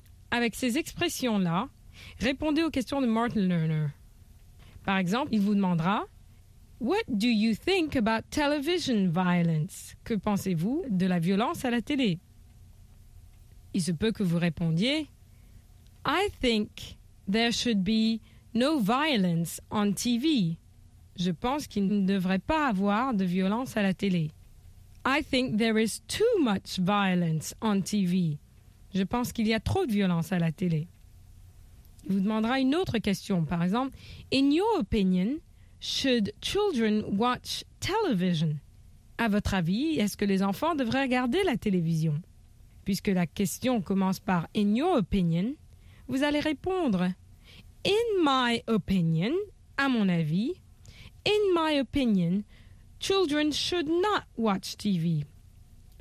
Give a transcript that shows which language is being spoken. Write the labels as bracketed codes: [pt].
[fr] Avec ces expressions-là, répondez aux questions de Martin Lerner. Par exemple, il vous demandera [en] What do you think about television violence? [fr] Que pensez-vous de la violence à la télé? Il se peut que vous répondiez [en] I think there should be no violence on TV. [fr] Je pense qu'il ne devrait pas avoir de violence à la télé. [en] I think there is too much violence on TV. [fr] Je pense qu'il y a trop de violence à la télé. Il vous demandera une autre question, par exemple [en] In your opinion, Should children watch television? [fr] À votre avis, est-ce que les enfants devraient regarder la télévision? Puisque la question commence par « [en] In your opinion [fr] », vous allez répondre « [en] In my opinion [fr] », à mon avis, « [en] In my opinion, children should not watch TV ».